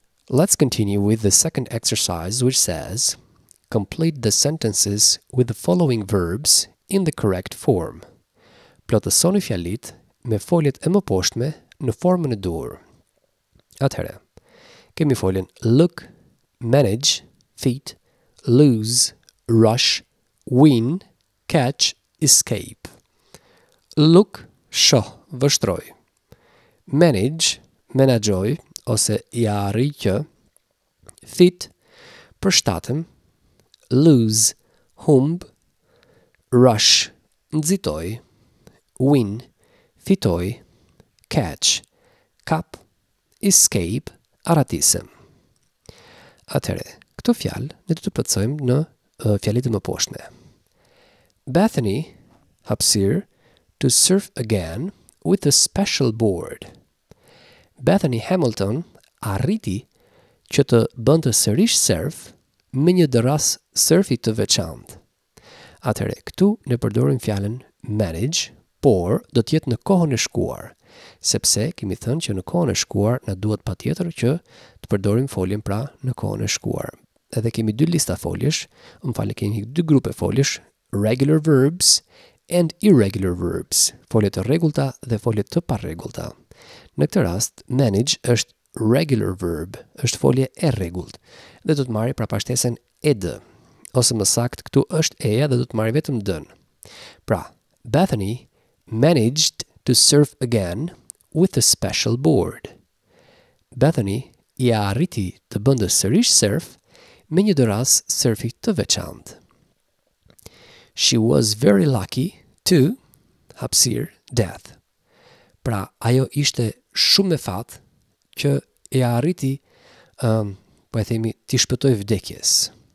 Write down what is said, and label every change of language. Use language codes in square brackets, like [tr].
[en] Let's continue with the second exercise, which says, complete the sentences with the following verbs in the correct form. [sq] Plotësoni fjalit me foljet e mposhtme në formën e dur. Atëherë, kemi foljen [en] look, manage, feet, lose, rush, win, catch, escape. [sq] Look, shoh, vështroj. Manage, menaxhoj, ose ja arrij që. Fit, përshtatem. Lose, humb. Rush, nxitoj. Win, fitoj. Catch, kap. Escape, aratisem. Atëre, këto fjalë ne do të plotësojmë në fjalit të mposhtme. [en] Bethany, hapsir, to surf again with a special board. [sq] Bethany Hamilton arriti që të bënte sërish surf me një dërras surfi të veçantë. Atëherë, këtu ne përdorim fjalën manage, por do të jetë në kohën e shkuar, sepse kemi thënë që në kohën e shkuar na duhet patjetër që të përdorim foljen pra në kohën e shkuar. Edhe kemi dy lista foljesh, mfalë kemi dy grupe foljesh, [en] regular verbs and irregular verbs, [sq] foljet të rregullta dhe foljet të parregullta. Në këtë rast, manage është regular verb, është folje e rregullt, dhe do të marrë pra pashtesën ed. Ose më sakt, këtu është eja dhe do të marrë vetëm dën. [en] Pra, Bethany managed to surf again with a special board. [sq] Bethany i arriti të bënte sërish surf me një dëras surfi të veçantë. [en] She was very lucky to, hapsir, death. [sq] Pra, ajo ishte shumë me fat që e arriti, po e themi, t'i shpëtoj vdekjes.